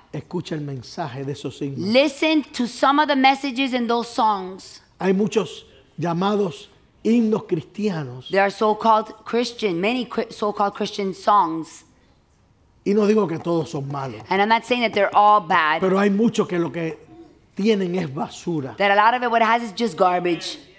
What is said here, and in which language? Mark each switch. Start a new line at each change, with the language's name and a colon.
Spanish: Escucha el mensaje de esos himnos.
English: Listen to some of the messages in those songs.
Spanish: Hay muchos llamados himnos cristianos.
English: There are so-called Christian, many so-called Christian songs.
Spanish: Y no digo que todos son malos.
English: And I'm not saying that they're all bad.
Spanish: Pero hay muchos que lo que tienen es basura.
English: That a lot of it, what it has is just garbage.